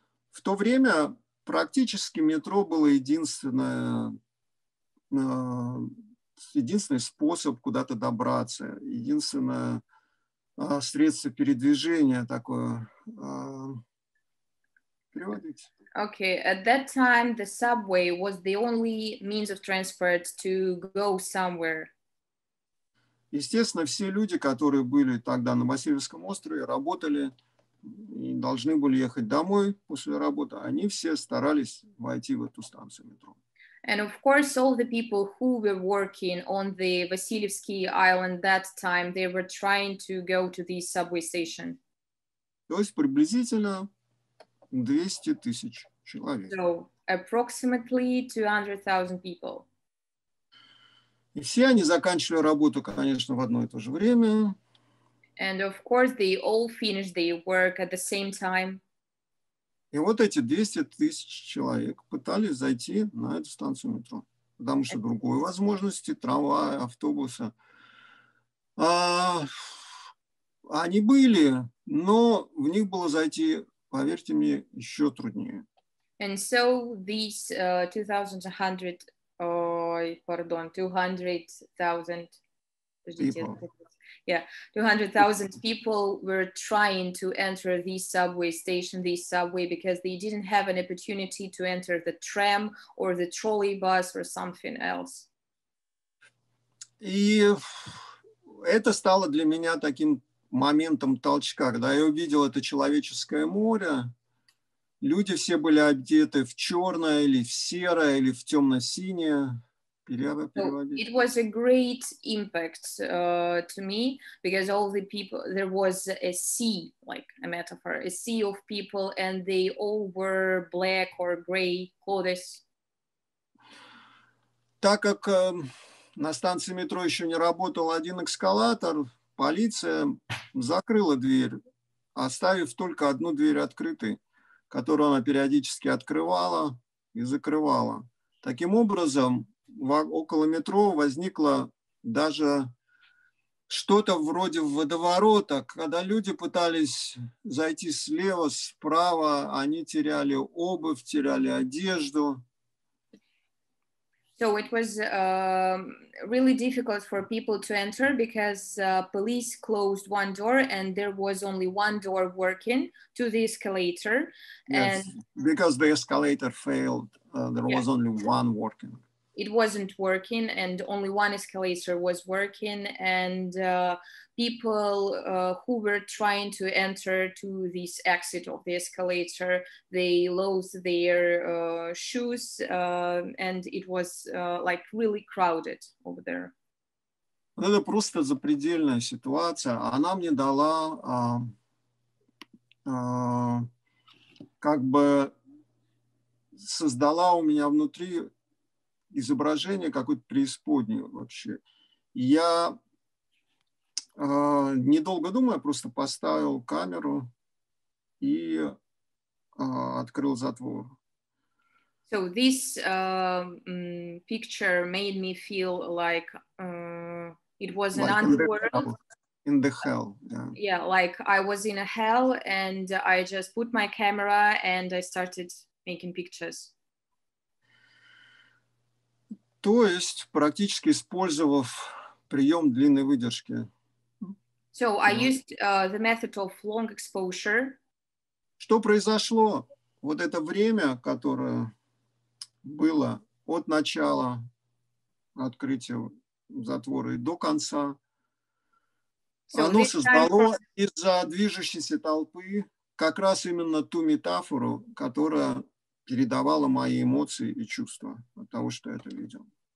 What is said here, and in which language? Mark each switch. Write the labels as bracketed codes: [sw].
[ru] В то время практически метро было единственный способ куда-то добраться, единственное средство передвижения такое. Переводите. [en] Okay, at that time the subway was the only means of transport to go somewhere. [ru] Естественно, все люди, которые были тогда на Васильевском острове, работали и должны были ехать домой после работы, они все старались войти в эту станцию метро. [en] And of course, all the people who were working on the Васильевский island that time, they were trying to go to the subway station. [ru] То есть приблизительно 200 тысяч человек. [en] So, approximately 200,000 people. [ru] И все они заканчивали работу, конечно, в одно и то же время. [en] And of course, they all finished their work at the same time. [ru] И вот эти 200 тысяч человек пытались зайти на эту станцию метро, потому что другой возможности, трамвая, автобуса, они были, но в них было зайти, поверьте мне, еще труднее. [en] And so these 2,100 200,000 people were trying to enter the subway station, the subway, because they didn't have an opportunity to enter the tram or the trolley bus or something else. [ru] И это стало для меня таким моментом толчка, когда я увидел это человеческое море, люди все были одеты в черное или в серое или в темно-синее. [en] It was a great impact to me because all the people, there was a sea, like a metaphor, a sea of people, and they all were black or gray clothes. [ru] Так как на станции метро еще не работал один эскалатор, полиция закрыла дверь, оставив только одну дверь открытой, которую она периодически открывала и закрывала. Таким образом, около метро возникло даже что-то вроде водоворота, когда люди пытались зайти слева, справа, они теряли обувь, теряли одежду. [en] So it was really difficult for people to enter because police closed one door and there was only one door working to the escalator. Yes, and because the escalator failed, there was only one working. It wasn't working and only one escalator was working and people who were trying to enter to this exit of the escalator, they lost their shoes and it was like really crowded over there. [ru] Это просто запредельная ситуация. Она мне дала как бы создала у меня внутри изображение какое-то преисподнее вообще. Я, недолго думая, просто поставил камеру и открыл затвор. [en] So this picture made me feel like it was an underworld. In the hell. Yeah, like I was in a hell and I just put my camera and I started making pictures. [ru] То есть, практически использовав прием длинной выдержки. [en] So I used the method of long exposure. [ru] Что произошло? Вот это время, которое было от начала открытия затвора и до конца, so оно создало из-за движущейся толпы как раз именно ту метафору, которая передавала мои эмоции и чувства от того, что я это видел.